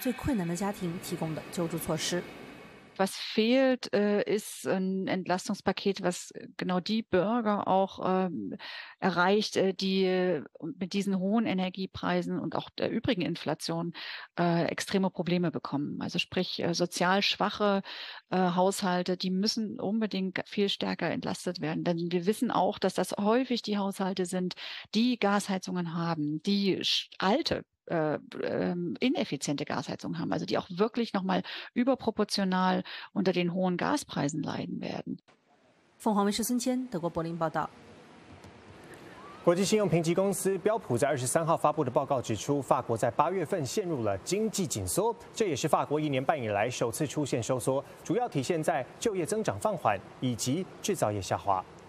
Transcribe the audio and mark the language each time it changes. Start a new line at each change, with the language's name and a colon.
Chinese: 但面对增加近10倍的天然气价格，这些措施都是杯水车薪。德国目前最缺乏的是针对最困难的家庭提供的救助措施。
German: Was fehlt, ist ein Entlastungspaket, was genau die Bürger auch erreicht, die mit diesen hohen Energiepreisen und auch der übrigen Inflation extreme Probleme bekommen. Also sprich sozial schwache Haushalte, die müssen unbedingt viel stärker entlastet werden. Denn wir wissen auch, dass das häufig die Haushalte sind, die Gasheizungen haben, die alte ineffiziente Gasheizung haben, also die auch wirklich nochmal überproportional unter den hohen Gaspreisen leiden werden.
Chinese: 凤凰卫视孙谦，德国柏林报道。国际信用评级公司标普在23号发布的报告指出，法国在8月份陷入了经济紧缩，这也是法国一年半以来首次出现收缩，主要体现在就业增长放缓以及制造业下滑。